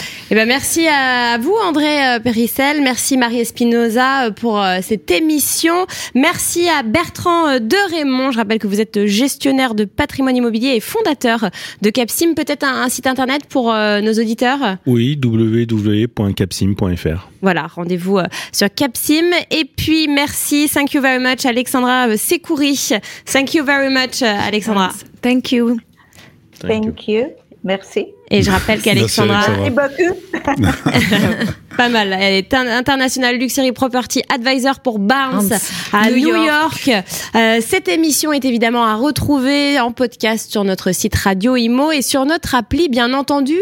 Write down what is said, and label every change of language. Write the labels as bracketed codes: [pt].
[fr] Eh ben merci à vous André Périssel, merci Marie Espinoza pour cette émission, merci à Bertrand de Raymond, je rappelle que vous êtes gestionnaire de patrimoine immobilier et fondateur de Capsim, peut-être un site internet pour nos auditeurs. Oui, www.capsim.fr. Voilà, rendez-vous sur Capsim. Et puis merci, [en] thank you very much Alexandra Sekouri, thank you very much Alexandra. Thank you. Thank you. [fr] Merci. Et je rappelle qu'Alexandra... Merci beaucoup. Pas mal. Elle est International Luxury Property Advisor pour Barnes à New York. Cette émission est évidemment à retrouver en podcast sur notre site Radio Immo et sur notre appli, bien entendu.